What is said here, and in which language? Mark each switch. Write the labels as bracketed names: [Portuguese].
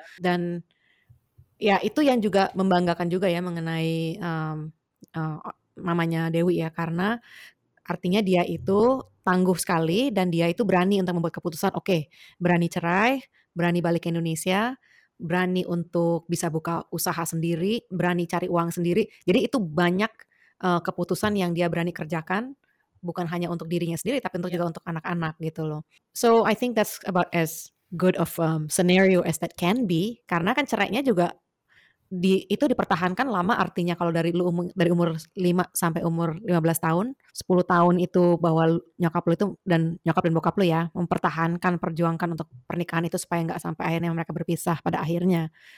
[Indonesian] Dan ya itu yang juga membanggakan juga ya mengenai mamanya Dewi ya, karena artinya dia itu tangguh sekali dan dia itu berani untuk membuat keputusan, oke, berani cerai, berani balik ke Indonesia, berani untuk bisa buka usaha sendiri, berani cari uang sendiri. Jadi itu banyak keputusan yang dia berani kerjakan, bukan hanya untuk dirinya sendiri, tapi untuk juga untuk anak-anak gitu loh. [English] So I think that's about as good of scenario as that can be, [Indonesian] karena kan cerainya juga itu dipertahankan lama. Artinya kalau dari umur 5 sampai umur 15 tahun, 10 tahun itu bahwa nyokap lu itu dan nyokap dan bokap lu ya mempertahankan, perjuangkan untuk pernikahan itu supaya enggak sampai akhirnya mereka berpisah pada akhirnya.